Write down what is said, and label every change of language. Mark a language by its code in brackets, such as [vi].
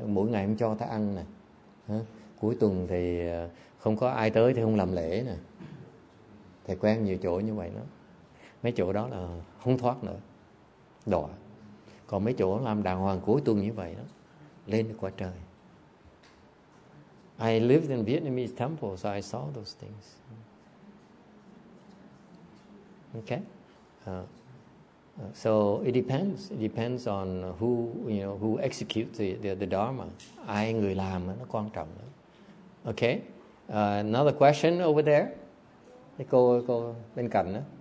[vi] Mỗi ngày không cho ta ăn nè. Cuối tuần thì không có ai tới thì không làm lễ nè. Thầy quen nhiều chỗ như vậy đó. Mấy chỗ đó là không thoát nữa. Đọa. Còn mấy chỗ làm đàng hoàng cuối tuần như vậy đó. Lên được quả trời. [en] I lived in Vietnamese temples, so I saw those things. Okay. So it depends. It depends on who, you know, who executes the dharma. [vi] Ai người làm nó quan trọng lắm. [en] Okay. Another question over there. [vi] Cái cô bên cạnh đó.